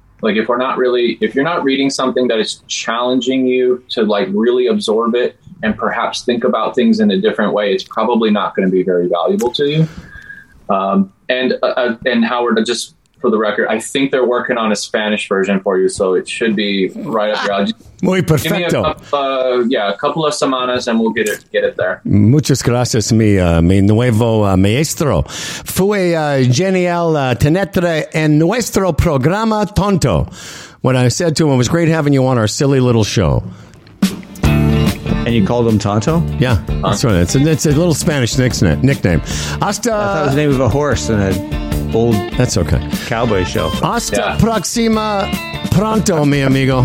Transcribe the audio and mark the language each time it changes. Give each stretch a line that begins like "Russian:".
English: Like if you're not reading something that is challenging you to like really absorb it and perhaps think about things in a different way, it's probably not going to be very valuable to you. And Howard, just for the record, I think they're working on a Spanish version for you, so it should be right up your alley.
Spanish: Muy perfecto.
English: A couple of semanas and we'll get it there.
Spanish: Muchas gracias, mi nuevo maestro. Fue genial tenerte en nuestro programa tonto.
English: What I said to him, it was great having you on our silly little show. And you called him Tonto? Yeah, that's right. It's a little Spanish nickname.
Spanish: Hasta.
English: I thought it was the name of a horse in an old. That's okay. Cowboy show.
Spanish: Hasta próxima. Pronto, mi amigo.